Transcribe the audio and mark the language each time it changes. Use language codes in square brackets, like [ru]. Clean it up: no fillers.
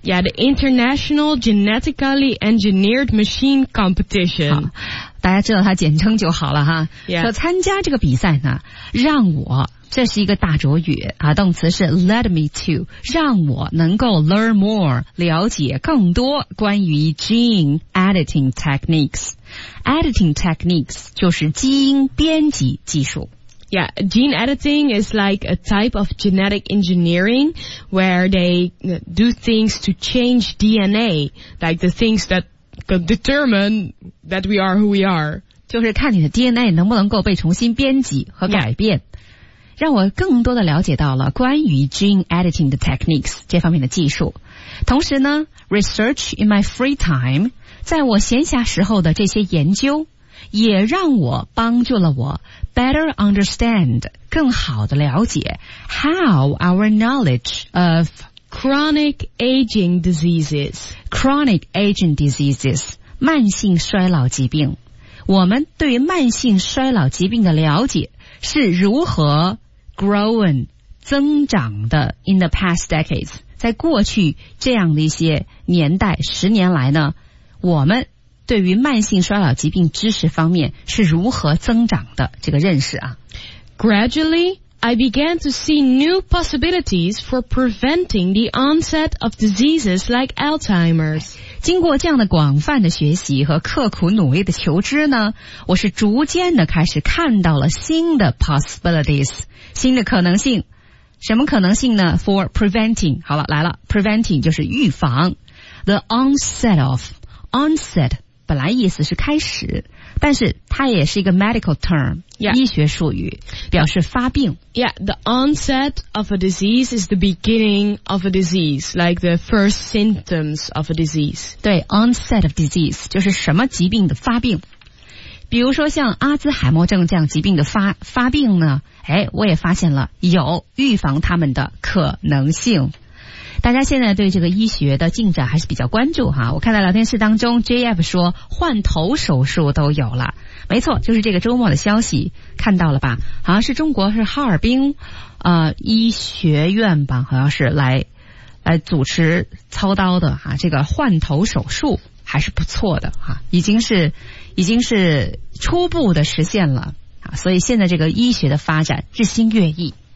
[en] Yeah, the International Genetically Engineered Machine Competition. [zh] 大家知道它简称就好了哈。 [en] Yeah. [zh] 说参加这个比赛呢，让我，这是一个大拙语啊，动词是 [en] led me to, [zh] 让我能够 [en] learn more, [zh] 了解更多关于 [en] gene editing techniques。 Editing techniques [zh] 就是基因编辑技术。 [en] Yeah, gene editing is like a type of genetic engineering where they do things to change DNA, like the things that can determine that we are who we are. [zh] 就是看你的 DNA 能不能够被重新编辑和改变。 [en] Yeah. [zh] 让我更多的了解到了关于 [en] gene editing [zh] 的 techniques 这方面的技术。同时呢 , [en] research in my free time, [zh] 在我闲暇时候的这些研究也让我帮助了我 [en] better understand, [zh] 更好的了解 [en] how our knowledge of chronic aging diseases, chronic aging diseases, [zh] 慢性衰老疾病。我们对于慢性衰老疾病的了解是如何 [en] growing [zh] 增长的 [en] in the past decades, [zh] 在过去这样的一些年代十年来呢，我们对于慢性衰老疾病知识方面是如何增长的这个认识啊。 [en] Gradually, I began to see new possibilities for preventing the onset of diseases like Alzheimer's. [zh] 经过这样的广泛的学习和刻苦努力的求知呢，我是逐渐的开始看到了新的 possibilities, 新的可能性。什么可能性呢？ [en] For preventing, [zh] 好了，来了， preventing 就是预防。 [en] The onset of, [zh] onset 本来意思是开始，但是它也是一个 medical term、 [en] yeah. [zh] 医学术语，表示发病。 [en] Yeah, the onset of a disease is the beginning of a disease, like the first symptoms of a disease. [zh] 对， [en] onset of disease [zh] 就是什么疾病的发病。比如说像阿兹海默症这样疾病的发病呢，哎，我也发现了有预防它们的可能性。大家现在对这个医学的进展还是比较关注哈。我看到聊天室当中 JF 说换头手术都有了，没错，就是这个周末的消息看到了吧，好像是中国是哈尔滨医学院吧，好像是来主持操刀的哈，这个换头手术还是不错的哈，已经是初步的实现了，所以现在这个医学的发展日新月异。